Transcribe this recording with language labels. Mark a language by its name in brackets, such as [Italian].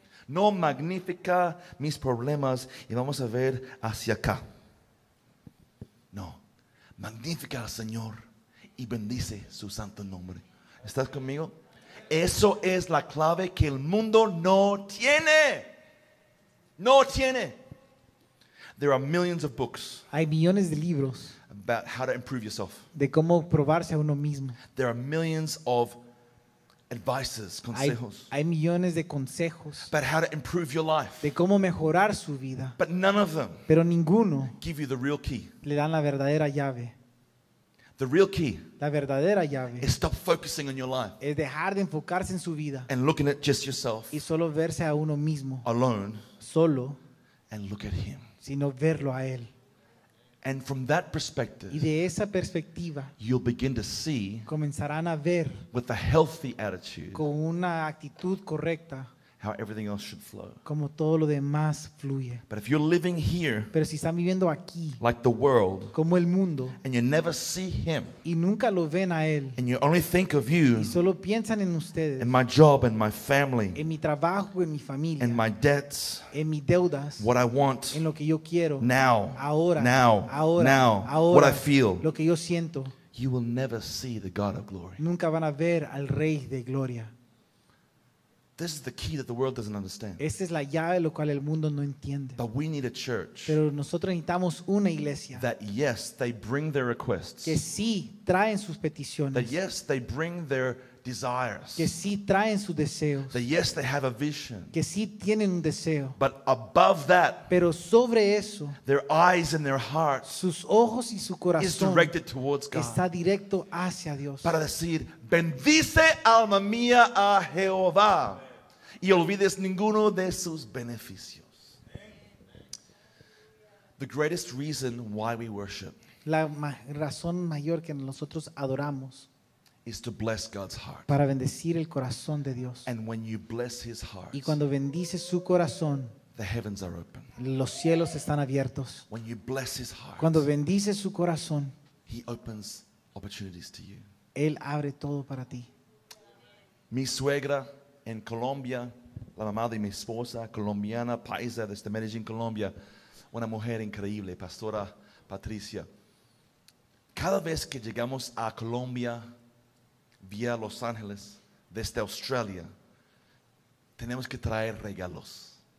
[Spanish] No magnifica mis problemas y vamos a ver hacia acá. No, magnifica al Señor y bendice su santo nombre. ¿Estás conmigo? Eso es la clave que el mundo no tiene. No tiene. [English] There are millions of books. [Spanish] Hay millones de libros. [English] About how to improve yourself. [Spanish] De cómo probarse a uno mismo. [English] There are millions of advices, consejos. [Spanish] Hay millones de consejos. [English] About how to improve your life. [Spanish] De cómo mejorar su vida. [English] But none of them. [Spanish] Pero ninguno. [English] Give you the real key. [Spanish] Le dan la verdadera llave. [English] The real key. [Spanish] La verdadera llave. [English] Is stop focusing on your life. [Spanish] Es dejar de enfocarse en su vida. [English] And looking at just yourself. [Spanish] Y solo verse a uno mismo. [English] Alone. [Spanish] Solo. [English] And look at Him. [Spanish] Sino verlo a Él. [English] And from that perspective, [Spanish] y de esa perspectiva, [English] you'll begin to see, [Spanish] comenzarán a ver, [English] with a healthy attitude, [Spanish] con una actitud correcta, [English] how everything else should flow. [Spanish] Como todo lo demás fluye. [English] But if you're living here, [Spanish] pero si están viviendo aquí, [English] like the world, [Spanish] como el mundo, [English] and you never see Him, [Spanish] y nunca lo ven a Él, [English] and you only think of you, [Spanish] y solo piensan en ustedes, [English] and my job and my family, [Spanish] en mi trabajo y mi familia, [English] and my debts, [Spanish] en mis deudas, [English] what I want, [Spanish] en lo que yo quiero, [English] now, [Spanish] ahora, [English] now, [Spanish] ahora, [English] now, [Spanish] ahora, [English] what I feel, [Spanish] lo que yo siento, [English] you will never see the God of glory. [Spanish] Nunca van a ver al Rey de Gloria. [English] This is the key that the world doesn't understand. [Spanish] Esta es la llave lo cual el mundo no entiende. [English] But we need a church. [Spanish] Pero nosotros necesitamos una iglesia. [English] That yes, they bring their requests. [Spanish] Que sí traen sus peticiones. [English] That yes, they bring their desires. [Spanish] Que sí traen sus deseos. [English] That yes, they have a vision. [Spanish] Que sí tienen un deseo. [English] But above that, [Spanish] pero sobre eso, [English] their eyes and their hearts, [Spanish] sus ojos y su corazón, [English] is directed towards God. [Spanish] Está directo hacia Dios. Para decir, bendice alma mía a Jehová, y olvides ninguno de sus beneficios. [English] The greatest reason why we worship. [Spanish] La razón mayor que nosotros adoramos. [English] Is to bless God's heart. [Spanish] Para bendecir el corazón de Dios. [English] And when you bless His heart. [Spanish] Y cuando bendices su corazón. [English] The heavens are open. [Spanish] Los cielos están abiertos. [English] When you bless His heart. [Spanish] Cuando bendices su corazón. [English] He opens opportunities to you. [Spanish] Él abre todo para ti. Mi suegra en Colombia, la mamá de mi esposa, colombiana, paisa desde Medellín, Colombia, una mujer increíble, pastora Patricia. Cada vez que llegamos a Colombia vía Los Ángeles desde Australia, tenemos que traer regalos.